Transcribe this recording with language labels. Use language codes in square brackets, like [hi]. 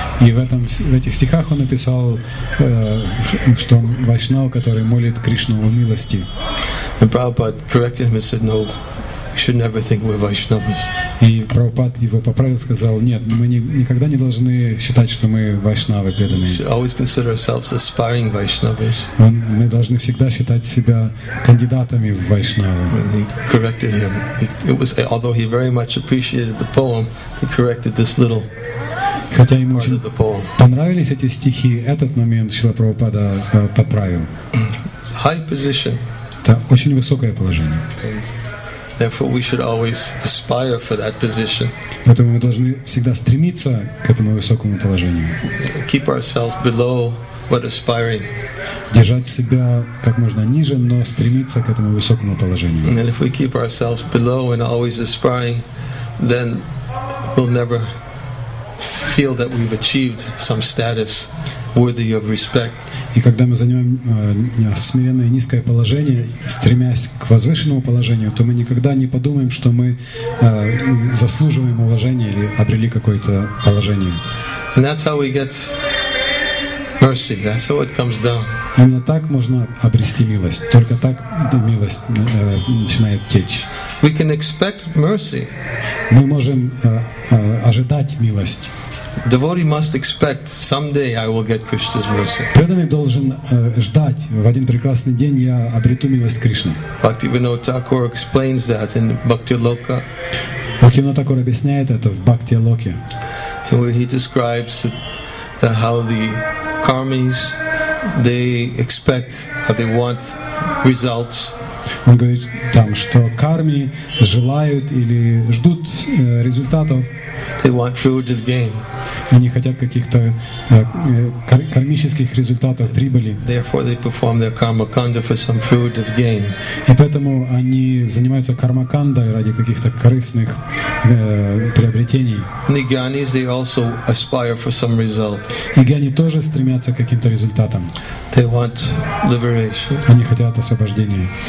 [ru] И в этих стихах он написал, что он Вайшнава, который молит Кришну о милости. [en] And Prabhupada corrected him and said, "No, we should never think we're Vaishnavas." [ru] И Прабхупада его поправил, сказал: "Нет, мы никогда не должны считать, что мы вайшнавы преданные." [en] We should always consider ourselves aspiring Vaishnavas. [ru] Мы должны всегда считать себя кандидатами в вайшнавы. [en] He corrected him. It was, although he very much appreciated the poem, he corrected this little. [ru] Хотя ему очень понравились эти стихи, этот момент Шрила Прабхупада поправил. [en] High position. [ru] Это очень высокое положение. [en] Therefore, we should always aspire for that position. [ru] Поэтому мы должны всегда стремиться к этому высокому положению. [en] Keep ourselves below, but aspiring. [ru] Держать себя как можно ниже, но стремиться к этому высокому положению. [en] And then if we keep ourselves below and always aspiring, then we'll never feel that we've achieved some status worthy of respect. [ru] И когда мы занимаем смиренное и низкое положение, стремясь к возвышенному положению, то мы никогда не подумаем, что мы заслуживаем уважения или обрели какое-то положение. [en] And that's how we get mercy. That's how it comes down. [ru] Именно так можно обрести милость. Только так милость начинает течь. [en] We can expect mercy. [ru] Мы можем ожидать милость. [en] Devotee must expect someday I will get Krishna's mercy. [ru] Преданный должен ждать, в один прекрасный день я обрету милость Кришны. [en] Bhaktivinoda Thakur explains that in Bhakti Loka. [ru] Bhaktivinoda Thakur объясняет это в Bhakti Loki. [en] Where he describes how the karmis they expect, how they want results. [ru] Он говорит там, что карми желают или ждут результатов. [en] They want fruit of gain. [ru] Они хотят каких-то кармических результатов, прибыли. [en] Therefore, they perform their karmakanda for some fruit of gain. [ru] И поэтому они занимаются кармакандой ради каких-то корыстных приобретений. [en] And the gyanis, they also aspire for some result. [ru] И гьяни тоже стремятся к каким-то результатам. [en] They want liberation. [ru] Они хотят освобождения.